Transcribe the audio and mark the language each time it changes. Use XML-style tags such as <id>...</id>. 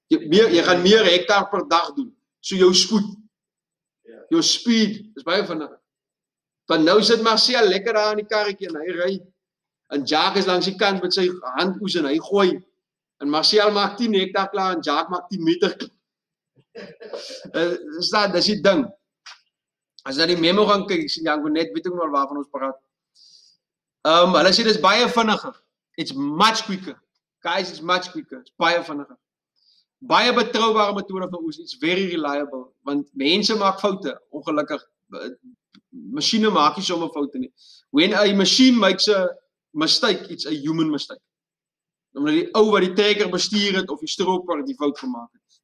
<af>Jy gaan meer hektaar per dag doen. So jou spoed. Jou speed is baie vinnig. Want nou sit Marcel lekker daar in die karretjie en hy ry. En Jack is langs die kant met sy hand oes en hy gooi. En Marcel maak 10 hektaar klaar en Jack maak 10 meter klaar. Dis die ding. As jy die memo gaan kyk, sien Janko net, weet ek nog waarvan ons praat. Hulle sê dis baie vinniger.</af> <en>It's much quicker. Guys, it's much quicker. It's</en> <af>baie vinniger. Baie betroubare metode vir oes.</af> <en>It's very reliable.</en> <af>Want mense maak foute, ongelukkig. Masjiene maak nie sommer foute nie.</af> <en>When a machine makes a mistake, it's a human mistake.</en> <af>Omdat die ou wat die trekker bestuur het, of die stroper die fout gemaak het.</af>